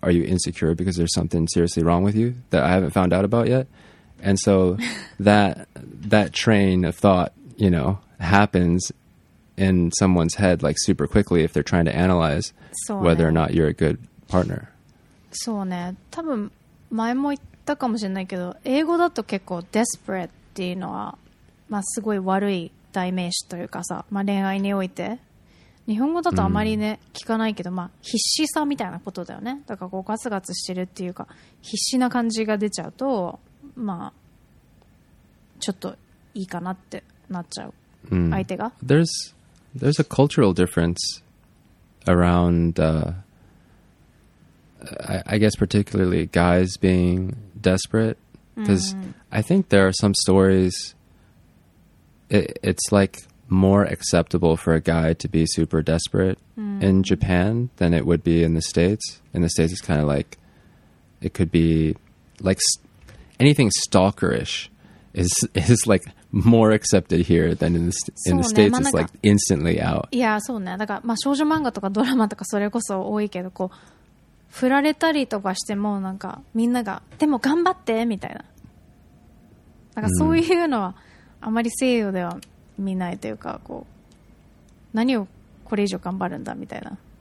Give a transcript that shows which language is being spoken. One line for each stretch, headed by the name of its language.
English: Are you insecure because there's something seriously wrong with you that I haven't found out about yet? And so that train of thought, you know, happens in someone's head like super quickly if they're trying to analyze whether or not you're a good partner.
Japanese: So, ne, 多分前も言ったかもしれないけど英語だと結構 desperate っていうのは、まあ、すごい悪い代名詞というかさ、まあ、恋愛において日本語だとあまりね、聞かないけど、まあ、必死さみたいなことだよねだからこうガツガツしてるっていうか必死な感じが出ちゃうと、まあ、ちょっといいかなってなっちゃう、相手が
English: There's a cultural difference around I guess particularly guys being desperate because I think there are some stories it's like more acceptable for a guy to be super desperate in Japan than it would be in the States. In the States, it's kind of like, it could be like anything stalkerish is like more accepted here than in the States. It's like instantly out. Yeah, so ne.
Japanese: だから、まあ、少女漫画とかドラマとかそれこそ多いけど、こう振られたりとかしてもなんかみんながでも頑張ってみたいな。だからそういうのはあまり西洋では見ないというか、こう何をこれ以上頑張るんだみたいな。